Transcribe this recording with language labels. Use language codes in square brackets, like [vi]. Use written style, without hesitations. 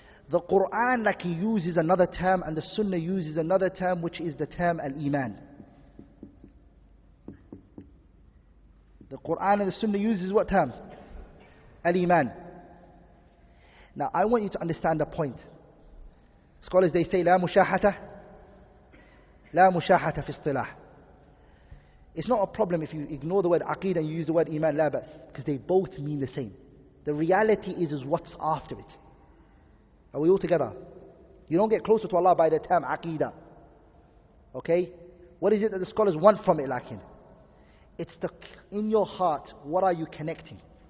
[en] The Quran, like, uses another term, and the Sunnah uses another term, which is the term Al-Iman. The Quran and the Sunnah uses what term? Al-Iman. Now, I want you to understand the point. Scholars, they say, [ar] لا مشاحة في اصطلاح. [en] It's not a problem if you ignore the word aqeedah and you use the word iman, la bas, because they both mean the same. The reality is what's after it. Are we all together? You don't get closer to Allah by the term aqeedah. Okay? What is it that the scholars want from it, lakin? It's the, in your heart, what are you connecting?